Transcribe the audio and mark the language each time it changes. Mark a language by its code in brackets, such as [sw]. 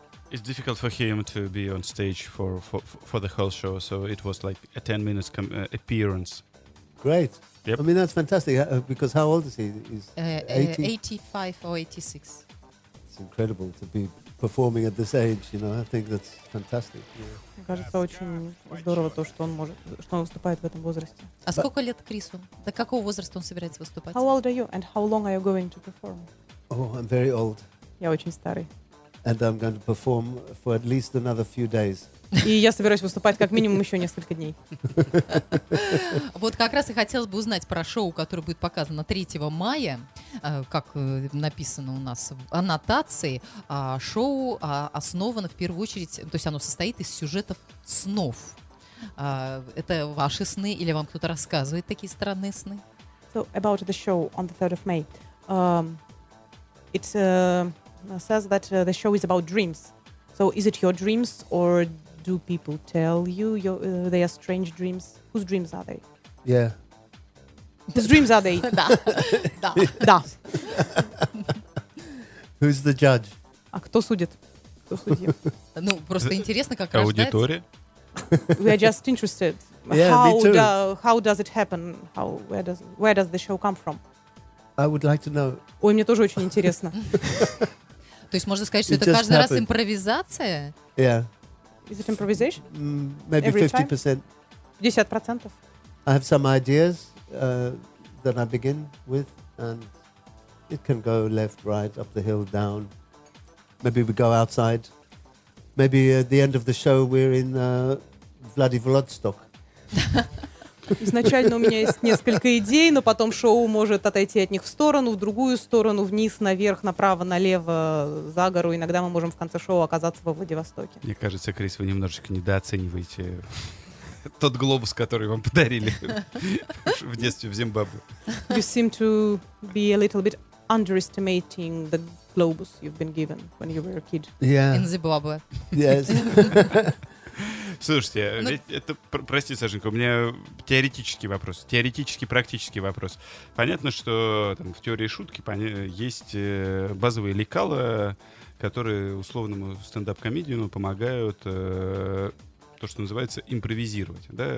[en] It's difficult for him to be on stage for the whole show, so it was like a 10 minutes appearance. Great. Yep. I mean, that's fantastic, because how old is he? He's 85 or 86. It's incredible to be performing at this age, you know, I think that's fantastic. [ru] Мне кажется, очень здорово то, что он выступает в этом возрасте. А сколько лет Крису? До какого возраста он собирается выступать? [en] How old are you and how long are you going to perform? Oh, I'm very old. [ru] Я очень старый. [en] And I'm going to perform for at least another few days. [ru] И я собираюсь выступать как минимум еще несколько дней. Вот как раз и хотелось бы узнать про шоу, которое будет показано 3 мая, как написано у нас в аннотации. Шоу основано в первую очередь, то есть оно состоит из сюжетов снов. Это ваши сны или вам кто-то рассказывает такие странные сны? [en] So about the show on the 3rd of May. It's says that the show is about dreams. So is it your dreams or do people tell you they are strange dreams? Whose dreams are they? Yeah. Whose dreams are they? [ru] Да. [en] Who's the judge? [ru] А кто судит? Кто судит? Ну, просто интересно, как рождается. Аудитория? [en] We are just interested. Yeah, how me too. How does it happen? Where does the show come from? I would like to know. [ru] Ой, мне тоже очень интересно. То есть можно сказать, что это каждый раз импровизация? [en] Yeah. Is it improvisation? Maybe every 50%. Time? 50%. I have some ideas that I begin with, and it can go left, right, up the hill, down. Maybe we go outside. Maybe at the end of the show we're in Vladivostok. [ru] Изначально у меня есть несколько идей, но потом шоу может отойти от них в сторону, в другую сторону, вниз, наверх, направо, налево, за гору. Иногда мы можем в конце шоу оказаться во Владивостоке. Мне кажется, Крис, вы немножечко недооцениваете тот глобус, который вам подарили в детстве в Зимбабве. [en] You seem to be a little bit underestimating the globus you've been given when you were a kid. Yeah. In Zimbabwe. Yes. [ru] Слушайте, прости, Сашенька, у меня теоретический вопрос, теоретический, практический вопрос. Понятно, что там, в теории шутки есть базовые лекала, которые условному стендап-комедиану помогают то, что называется, импровизировать. Да?